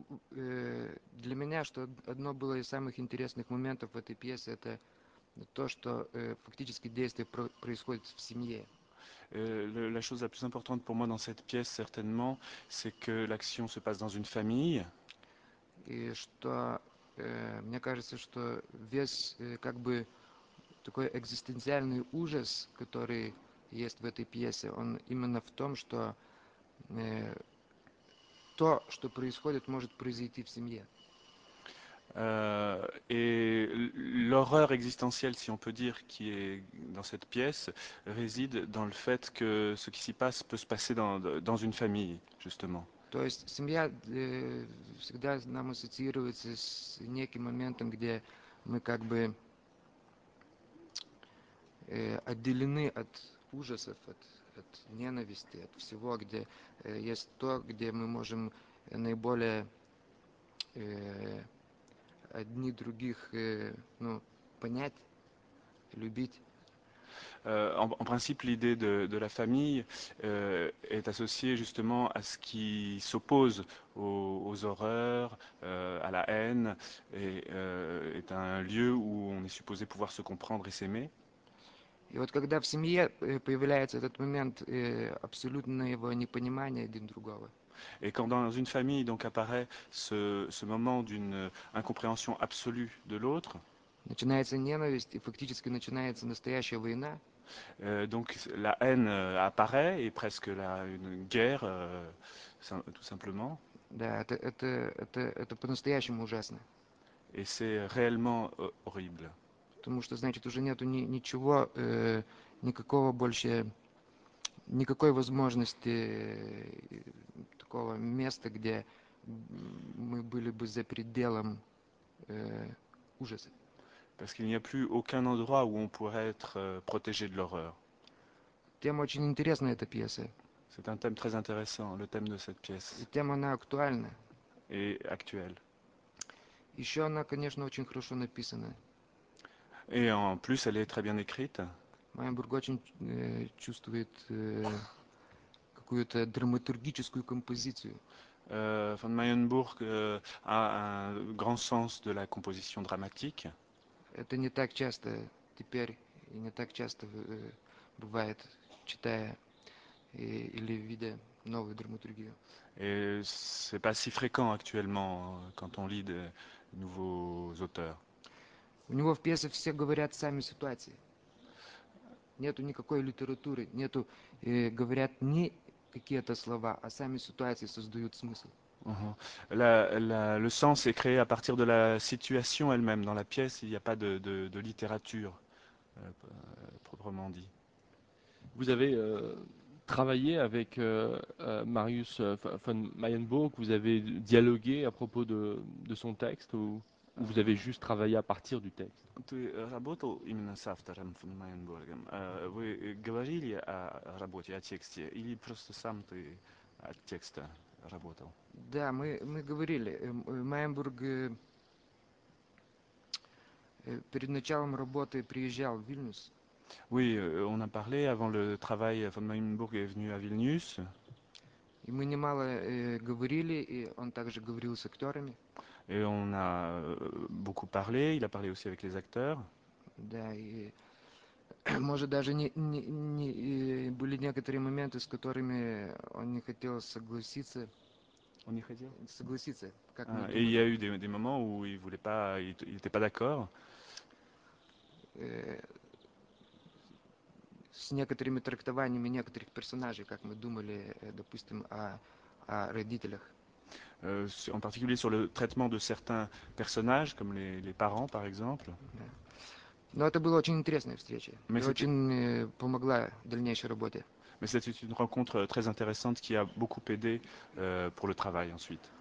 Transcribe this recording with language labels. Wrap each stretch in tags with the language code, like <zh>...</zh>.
<ru>Для меня, что одно было из самых интересных моментов в этой пьесе, это то, что фактически действие происходит в семье.</ru> <fr>La chose la plus importante pour moi dans cette pièce, certainement, c'est que l'action se passe dans une famille.</fr> <ru>Мне кажется, что весь как бы такой экзистенциальный ужас, который есть в этой пьесе, он именно в том, что то, что происходит, может произойти в семье.</ru> <fr>Et l'horreur existentielle, si on peut dire, qui est dans cette pièce, réside dans le fait que ce qui s'y passe peut se passer dans une famille, justement.</fr> <ru>То есть семья всегда нам ассоциируется с неким моментом, где мы как бы отделены от ужасов, от ненависти, от всего, где есть то, где мы можем наиболее одни других понять, любить.</ru> <fr>En principe, l'idée de la famille est associée justement à ce qui s'oppose aux horreurs, à la haine, et est un lieu où on est supposé pouvoir se comprendre et s'aimer. Et</fr> <ru>вот когда в семье появляется этот момент абсолютного непонимания один другого.</ru> <fr>Et quand dans une famille donc apparaît ce moment d'une incompréhension absolue de l'autre.</fr> <ru>Начинается ненависть и фактически начинается настоящая война.</ru> <fr>Donc la haine apparaît et presque une guerre, tout simplement.</fr> <ru>Да, это по-настоящему ужасно.</ru> <fr>Et c'est réellement horrible.</fr> <ru>Потому что, значит, уже нету ничего, никакого больше, никакой возможности, такого места, где мы были бы за пределом ужаса.</ru> <fr>Parce qu'il n'y a plus aucun endroit où on pourrait être protégé de l'horreur.</fr> <ru>Тема очень интересная эта пièce.</ru> <fr>C'est un thème très intéressant, le thème de cette pièce.</fr> <ru>И тема она актуальна.</ru> <fr>Et actuelle.</fr> <ru>Еще она, конечно, очень хорошо написана.</ru> <fr>Et en plus, elle est très bien écrite.</fr> <ru>Майнбург очень чувствует какую-то драматургическую композицию.</ru> <fr>Von Mayenburg a un grand sens de la composition dramatique.</fr> <ru>Это не так часто теперь и не так часто бывает, читая или видя новую драматургию.</ru> <fr>Et c'est pas si fréquent actuellement quand on lit de nouveaux auteurs.</fr> <ru>У него в пьесе все говорят сами ситуации. Нету никакой литературы, нету, говорят не какие-то слова, а сами ситуации создают смысл.</ru> <fr>Le sens est créé à partir de la situation elle-même. Dans la pièce, il n'y a pas de littérature, proprement dit. Vous avez travaillé avec Marius von Mayenburg, vous avez dialogué à propos de son texte ou vous avez juste travaillé à partir du texte?</fr> <ru>Ты работал именно с автором фон Майнбургом? Вы говорили о работе, о тексте, или просто сам ты от текста работал? Да, мы говорили. Майнбург перед началом работы приезжал в Вильнюс.</ru> <fr>Oui, on a parlé avant le travail. Von Mayenburg est venu à Vilnius.</fr> <ru>И мы немало говорили, и он также говорил с актерами.</ru> <fr>Et on a beaucoup parlé. Il a parlé aussi avec les acteurs.</fr> <ru>Да, и может даже не были некоторые моменты, с которыми он не хотел согласиться. On y хотел? Согласиться. Как мы думали.</ru> <fr>Et il y a eu des moments où il voulait pas, il était pas d'accord.</fr> <ru>С некоторыми трактованиями некоторых персонажей, как мы думали, допустим, о родителях.</ru> <fr>En particulier sur le traitement de certains personnages, comme les parents, par exemple.</fr> <ru>Но это была очень интересная встреча.</ru> <fr>Mais</fr> <ru>и очень помогла в дальнейшей работе.</ru> <fr>Mais c'était une rencontre très intéressante qui a beaucoup aidé pour le travail ensuite.</fr>